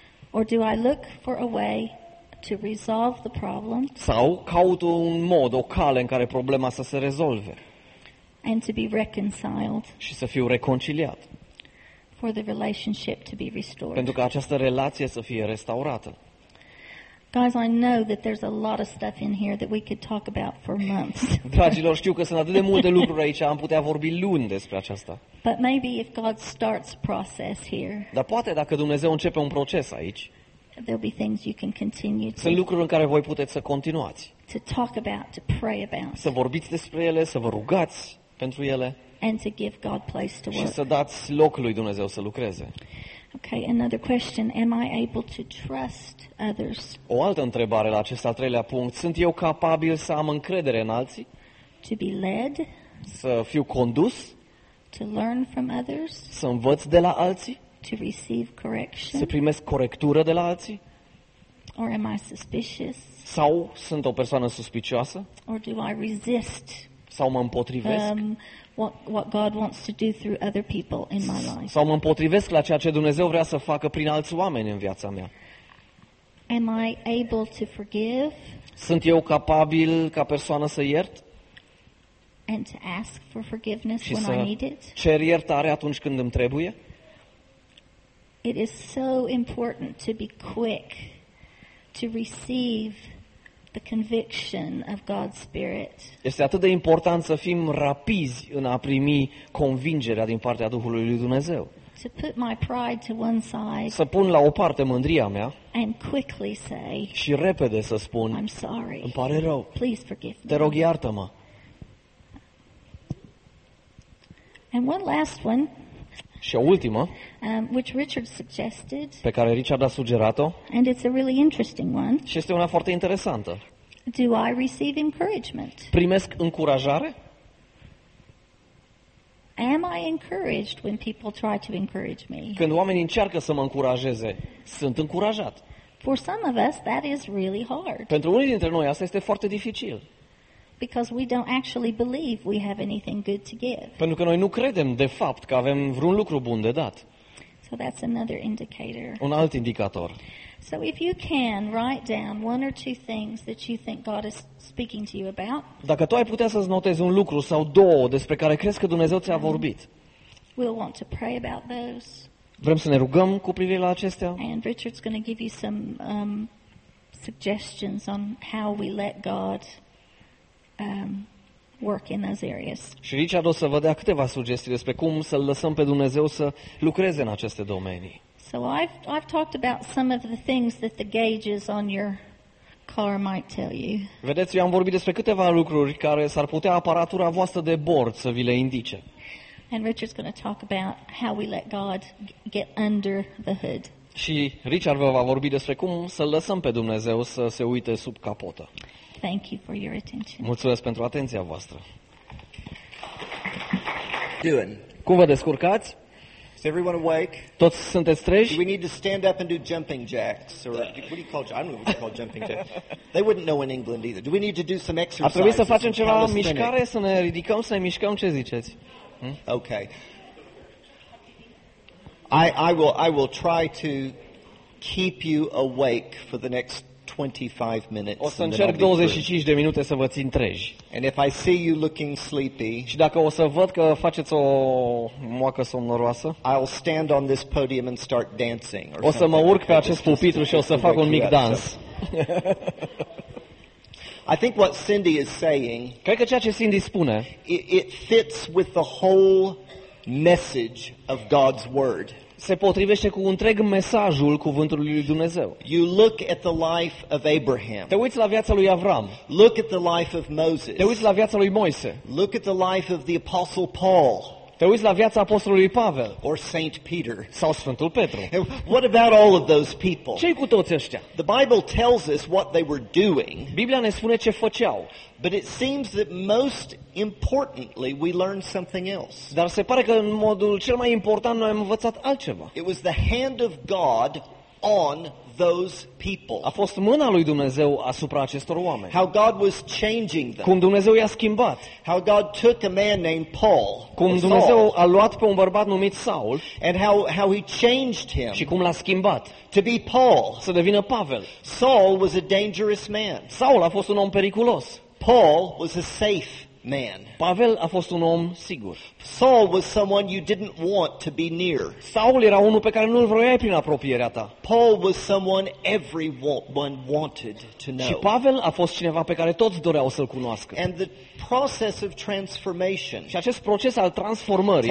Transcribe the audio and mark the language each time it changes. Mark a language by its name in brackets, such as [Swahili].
[English] Or do I look for a way to resolve the problem? [Romanian] Sau caut un mod, o cale în care problema să se rezolve? [English] And to be reconciled. [Romanian] Și să fiu reconciliat. [English] For the relationship to be restored. [Romanian] Pentru că această relație să fie restaurată. [English] Guys, I know that there's a lot of stuff in here that we could talk about for months. [Romanian] Dragilor, știu că sunt atât de multe lucruri aici, am putea vorbi luni despre aceasta. [English] But maybe if God starts a process here. [Romanian] Dar poate dacă Dumnezeu începe un proces aici. [English] There'll be things you can continue to. [Romanian] Sunt lucruri în care voi puteți să continuați. [English] To talk about, to pray about. [Romanian] Să vorbiți despre ele, să vă rugați pentru ele. [English] And to give God place to work. [Romanian] Și să dați loc lui Dumnezeu să lucreze. [English] Okay, another question. Am I able to trust others? [Romanian] O altă întrebare la acest al treilea punct. Sunt eu capabil să am încredere în alții? [English] To be led? [Romanian] Să fiu condus? [English] To learn from others? [Romanian] Să învăț de la alții? [English] To receive correction? [Romanian] Să primesc corectură de la alții? [English] Or am I suspicious? [Romanian] Sau sunt o persoană suspicioasă? [English] Or do I resist? [Romanian] Sau mă împotrivesc? [English] What God wants to do through other people in my life? [Romanian] Sau mă împotrivesc la ceea ce Dumnezeu vrea să facă prin alți oameni în viața mea? [English] Am I able to forgive? [Romanian] Sunt eu capabil ca persoană să iert? [English] And to ask for forgiveness when I need it? [Romanian] Cer iertare atunci când îmi trebuie? [English] It is so important to be quick to receive the conviction of God's Spirit. [Romanian] Este atât de important să fim rapizi în a primi convingerea din partea Duhului lui Dumnezeu. [English] To put my pride to one side. [Romanian] Să pun la o parte mândria mea. [English] And quickly say. [Romanian] Și repede să spun. [English] I'm sorry. [Romanian] Îmi pare rău. [English] Please forgive me. [Romanian] Te rog, iartă-mă. [English] And one last one. [Romanian] Și o ultimă. [English] Which Richard suggested. [Romanian] Pe care Richard a sugerat-o. [English] And it's a really interesting one. [Romanian] Și este una foarte interesantă. [English] Do I receive encouragement? [Romanian] Primesc încurajare? [English] Am I encouraged when people try to encourage me? [Romanian] Când oamenii încearcă să mă încurajeze, sunt încurajat. [English] For some of us that is really hard. [Romanian] Pentru unii dintre noi asta este foarte dificil. [English] Because we don't actually believe we have anything good to give. [Romanian] Pentru că noi nu credem de fapt că avem vreun lucru bun de dat. [English] So that's another indicator. [Romanian] Un alt indicator. [English] So if you can write down one or two things that you think God is speaking to you about. [Romanian] Dacă tu ai putea să-ți notezi un lucru sau două despre care crezi că Dumnezeu ți-a vorbit. [English] We'll want to pray about those. [Romanian] Vrem să ne rugăm cu privire la acestea. [English] And Richard's going to give you some suggestions on how we let God work in those areas. [Romanian] Și Richard o să vă dea câteva sugestii despre cum să lăsăm pe Dumnezeu să lucreze în aceste domenii. [English] So I've talked about some of the things that the gauges on your car might tell you. [Romanian] Vedeți, eu am vorbit despre câteva lucruri care s-ar putea aparatura voastră de bord să vi le indice. [English] And Richard's going to talk about how we let God get under the hood. [Romanian] Și Richard vă va vorbi despre cum să lăsăm pe Dumnezeu să se uite sub capotă. [English] Thank you for your attention. [Romanian] Mulțumesc pentru atenția voastră. [English] Doing. [Romanian] Cum vă descurcați? [English] Is everyone awake? [Romanian] Toți sunteți treji? [English] Do we need to stand up and do jumping jacks or what do you call? I don't know what you call jumping jacks. They wouldn't know in England either. Do we need to do some exercise? [Romanian] Ar trebui să facem ceva mișcare, să ne ridicăm, să ne mișcăm, ce ziceți? [English] Okay. I will try to keep you awake for the next 25 minutes. [Romanian] O să încerc 25 de minute să vă țin treji. [English] And if I see you looking sleepy, [Romanian] și dacă o să văd că faceți o moacă somnoroasă, [English] I'll stand on this podium and start dancing. [Romanian] O să mă urc pe acest pupitru și o să fac un mic dans. [English] I think what Cindy is saying, [Romanian] cred că ceea ce Cindy spune, [English] it fits with the whole message of God's word. [Romanian] Se potrivește cu întreg mesajul cuvântului lui Dumnezeu. [English] You look at the life of Abraham. [Romanian] Te uiți la viața lui Avram. [English] Look at the life of Moses. [Romanian] Te uiți la viața lui Moise. [English] Look at the life of the apostle Paul. [Romanian] Te uiți la viața apostolului Pavel. [English] Or Saint Peter. [Romanian] Sau Sfântul Petru. [English] What about all of those people? [Romanian] Ce-i cu toți ăștia? [English] The Bible tells us what they were doing. [Romanian] Biblia ne spune ce făceau. [English] But it seems that most importantly we learn something else. [Romanian] Dar se pare că în modul cel mai important noi am învățat altceva. [English] It was the hand of God on those people. [Romanian] A fost mâna lui Dumnezeu asupra acestor oameni. [English] How God was changing them. [Romanian] Cum Dumnezeu i-a schimbat. [English] How God took a man named Paul. [Romanian] Cum Dumnezeu a luat pe un bărbat numit Saul. [English] And how he changed him. [Romanian] Și cum l-a schimbat. [English] To be Paul. [Romanian] Să devină Pavel. [English] Saul was a dangerous man. [Romanian] Saul a fost un om periculos. [English] Paul was a safe man. [Romanian] Pavel a fost un om sigur. [English] Saul was someone you didn't want to be near. [Romanian] Saul era unul pe care nu-l vroiai prin apropierea ta. [English] Paul was someone everyone wanted to know. [Romanian] Și Pavel a fost cineva pe care toți doreau să-l cunoască. [English] And the process of transformation. [Romanian] Și acest proces al transformării.